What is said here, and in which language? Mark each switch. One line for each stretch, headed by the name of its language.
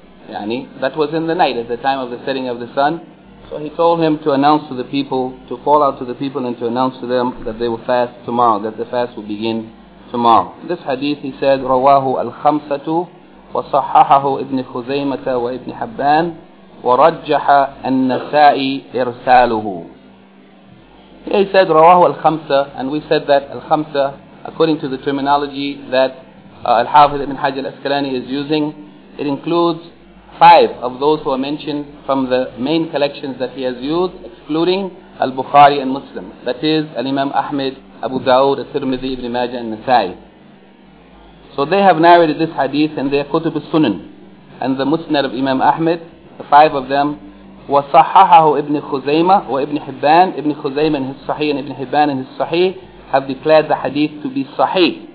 English: Yani that was in the night, at the time of the setting of the sun. So he told him to announce to the people, to call out to the people and to announce to them that they will fast tomorrow, that the fast will begin tomorrow. This hadith, he said,
Arabic: رواه الخمسة وصححه ابن خزيمة وابن حبان ورجح النسائي إرساله.
English: Here he said,
Arabic: رواه الخمسة,
English: and we said that الخمسة, according to the terminology that Al-Hafiz Ibn Hajj al-Asqalani is using, it includes five of those who are mentioned from the main collections that he has used, excluding Al-Bukhari and Muslim. That is Al-Imam Ahmed, Abu Dawood, Al-Tirmidhi, Ibn Majah, and Nasa'i. So they have narrated this hadith in their Qutb al-Sunan. And the Musnad of Imam Ahmed, the five of them,
Arabic: وصححه ابن خزيمة وابن حبان.
English: ابن خزيمة in his صحيح and ابن حبان in his صحيح have declared the hadith to be صحيح.